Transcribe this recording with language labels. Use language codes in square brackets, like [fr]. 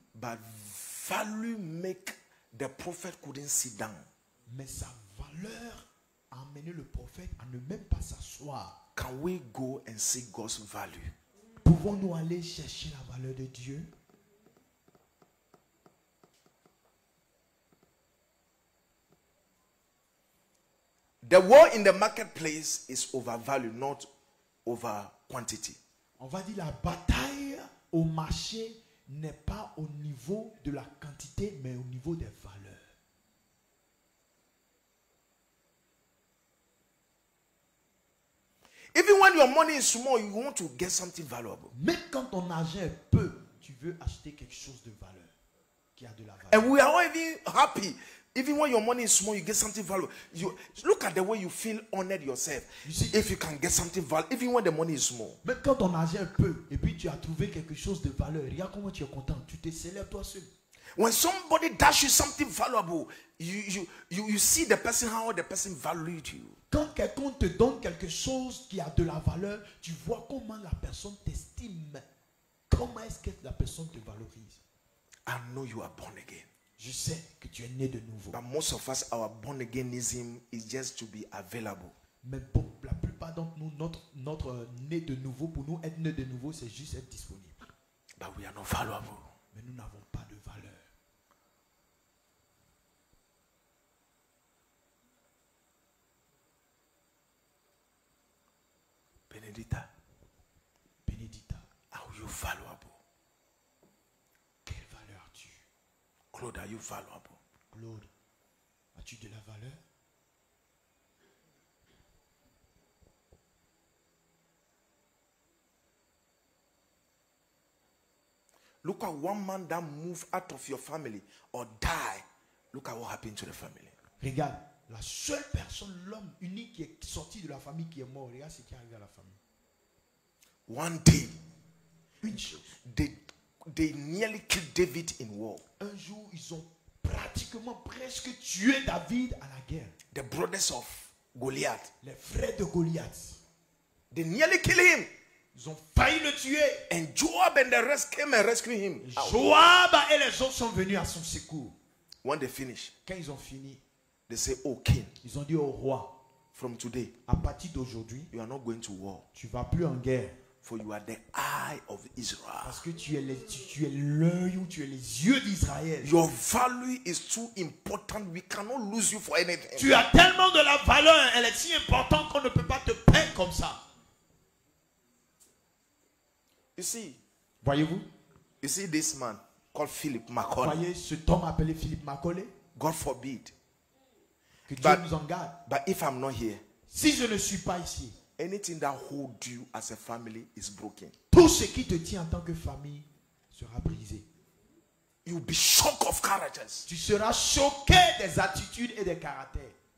[en] But value make the prophet couldn't sit down. [fr] Mais sa valeur a amené le prophète à ne même pas s'asseoir. [en] Can we go and see God's value? [fr] Pouvons-nous aller chercher la valeur de Dieu? [en] The world in the marketplace is overvalued, not over quantity. [fr] On va dire la bataille au marché n'est pas au niveau de la quantité, mais au niveau des valeurs. [en] Even when your money is small, you want to get something valuable. [fr] Même quand ton argent est peu, tu veux acheter quelque chose de valeur, qui a de la valeur. [en] And we are all even happy. Even when your money is small, you get something valuable. You look at the way you feel honored yourself. You see, if you can get something valuable, even when the money is small. [fr] Mais quand ton argent est peu et puis tu as trouvé quelque chose de valeur, regarde comment tu es content, tu te célèbres toi seul. [en] When somebody dashes something valuable, you see the person how the person valued you. [fr] Quand quelqu'un te donne quelque chose qui a de la valeur, tu vois comment la personne t'estime. Comment est-ce que la personne te valorise? [en] I know you are born again. [fr] Je sais que tu es né de nouveau. [en] But most of us, our born againism is just to be available. [fr] Mais pour la plupart d'entre nous, notre né de nouveau, pour nous être né de nouveau, c'est juste être disponible. [en] But we are not valuable. [fr] Mais nous n'avons pas de valeur. Benedita. Benedita. [en] Are you valuable? [fr] Quelle valeur as-tu? [en] Claude, are you valuable? [fr] Claude, as-tu de la valeur? [en] Look at one man that moved out of your family or die. Look at what happened to the family. [fr] Regarde, la seule personne, l'homme unique qui est sorti de la famille qui est mort. Regarde ce qui est arrivé à la famille. [en] One day, [fr] une chose, [en] they nearly killed David in war. [fr] Un jour, ils ont pratiquement presque tué David à la guerre. [en] The brothers of Goliath. [fr] Les frères de Goliath. [en] They nearly killed him. [fr] Ils ont failli le tuer. [en] And Joab and the rest came and rescued him. [fr] Joab et les autres sont venus à son secours. [en] When they finish, [fr] quand ils ont fini, [en] they say, "Oh king." [fr] Ils ont dit au roi, [en] "From today, [fr] à partir d'aujourd'hui, [en] you are not going to war. [fr] Tu vas plus en guerre. [en] For you are the eye of Israel. [fr] Parce que tu es l'œil ou tu es les yeux d'Israël. [en] Your value is too important. We cannot lose you for anything. [fr] Tu as tellement de la valeur, elle est si importante qu'on ne peut pas te perdre comme ça. [en] You see, [fr] voyez-vous? [en] You see this man called Philip Macaulay. [fr] Voyez cet homme appelé Philip Macaulay. [en] God forbid. [fr] Que Dieu nous en garde. [en] But if I'm not here, [fr] si je ne suis pas ici, [en] anything that holds you as a family is broken. [fr] Tout ce qui te tient en tant que famille sera brisé. [en] You'll be shocked of characters. [fr] Tu seras choqué des attitudes et des caractères.